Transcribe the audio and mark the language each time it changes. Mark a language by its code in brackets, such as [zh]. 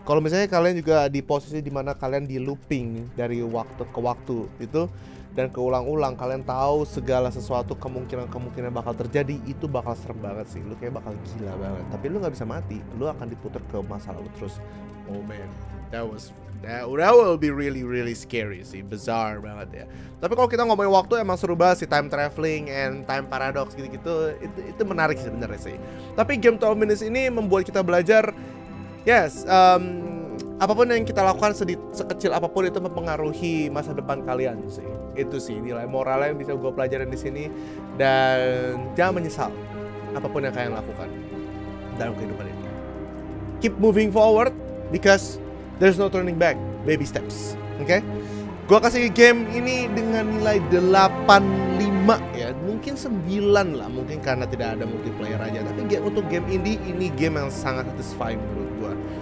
[id] Kalau misalnya kalian juga di posisi dimana kalian di looping dari waktu ke waktu itu dan keulang-ulang, kalian tahu segala sesuatu kemungkinan-kemungkinan bakal terjadi, itu bakal serem banget sih. Lu kayak bakal gila banget. Tapi lu nggak bisa mati. Lu akan diputar ke masa lalu terus. [en] Oh man, that will be really really scary [id] sih, [en] bizarre [id] banget ya. Tapi kalau kita ngomongin waktu emang seru banget sih, [en] time traveling and time paradox gitu-gitu, [id] itu menarik sebenarnya sih. Tapi game 12 minutes ini membuat kita belajar, [en] yes, [id] apapun yang kita lakukan sekecil apapun itu mempengaruhi masa depan kalian sih. Itu sih nilai moralnya yang bisa gue pelajarin di sini, dan jangan menyesal apapun yang kalian lakukan dalam kehidupan ini. [en] Keep moving forward because there's no turning back, baby steps. Oke? Okay? [id] Gua kasih game ini dengan nilai 8.5 ya. Mungkin 9 lah, mungkin karena tidak ada multiplayer aja. Tapi untuk game ini game yang sangat [en] satisfying [id] menurut gua.